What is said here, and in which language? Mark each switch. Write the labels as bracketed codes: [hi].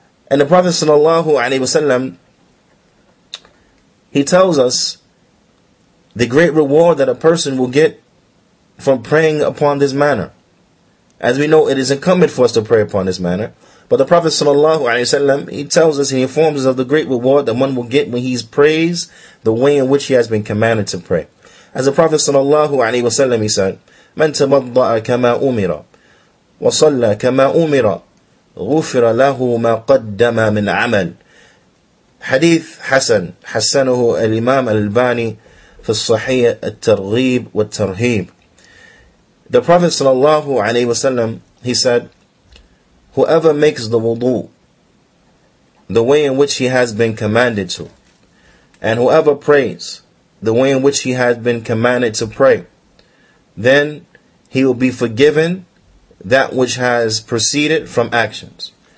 [en] And the Prophet sallallahu alaihi wasallam, he tells us the great reward that a person will get from praying upon this manner. As we know, it is incumbent for us to pray upon this manner. But the Prophet sallallahu alaihi wasallam, he tells us, he informs us of the great reward that one will get when he prays the way in which he has been commanded to pray. As the Prophet sallallahu alaihi wasallam, he said, [ar] مَنْ تَمَضَّعَ كَمَا أُمِرَ وَصَلَّى كَمَا أُمِرَ غُفِرَ لَهُ مَا قَدَّمَ مِنْ عَمَلٍ. Hadith Hassan, حَسَّنُهُ الْإِمَامَ الْبَانِي فِي الصَّحِيَّةِ التَّرْغِيبِ وَالتَّرْهِيبِ. [en] The Prophet sallallahu alaihi wasallam, he said, whoever makes the wudu the way in which he has been commanded to, and whoever prays the way in which he has been commanded to pray, then he will be forgiven that which has proceeded from actions.